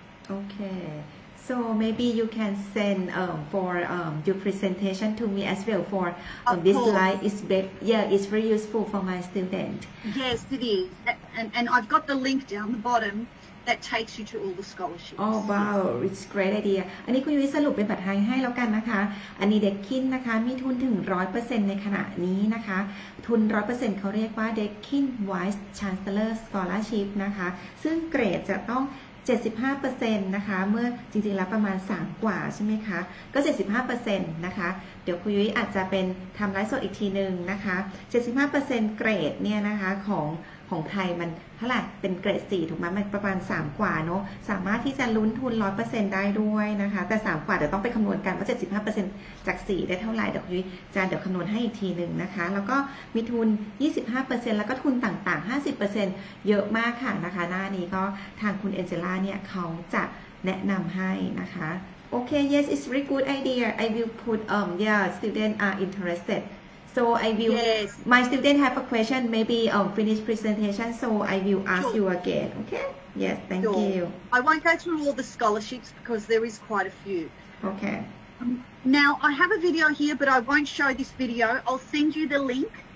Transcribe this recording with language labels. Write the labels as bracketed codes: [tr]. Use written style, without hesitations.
[en] Okay. So maybe you can send for your presentation to me as well for this slide. It's very useful for my student. Yes, it is. And I've got the link down the bottom that takes you to all the scholarships. Oh, wow. It's a great idea. [th] อันนี้คุณยุ้ยสรุปเป็นบัตรไทยให้แล้วกันนะคะอันนี้เด็กคินนะคะมีทุนถึง 100% ในขณะนี้นะคะทุน 100% เขาเรียกว่า Deakin Vice Chancellor Scholarship นะคะซึ่งเกรดจะต้อง 75% นะคะเมื่อจริงๆแล้วประมาณ3กว่าใช่ไหมคะก็ 75% นะคะเดี๋ยวคุณยุ้ยอาจจะเป็นทำไลฟ์สดอีกทีนึงนะคะ 75% เกรดเนี่ยนะคะข องไทยมันเท่าไหร่เป็นเกรด4ถูกไหมมันประมาณ3กว่าเนาะสามารถที่จะลุ้นทุน 100% ได้ด้วยนะคะแต่3กว่าเดี๋ยวต้องไปคำนวณกันว่า 75% จาก4ได้เท่าไหร่เดี๋ยวยุ้ยจะเดี๋ยวคำนวณให้อีกทีนึงนะคะแล้วก็มีทุน 25% แล้วก็ทุนต่างๆ 50% เยอะมากค่ะนะคะหน้านี้ก็ทางคุณเอ็นเจล่าเนี่ยเขาจะแนะนำให้นะคะโอเค [en] yes it's really good idea I will put yeah student are interestedSo I will, yes. My student have a question, maybe finish presentation, so I will ask sure. you again, okay? Yes, thank sure. you. I won't go through all the scholarships because there is quite a few. Okay. Now, I have a video here, but I won't show this video. I'll send you the link.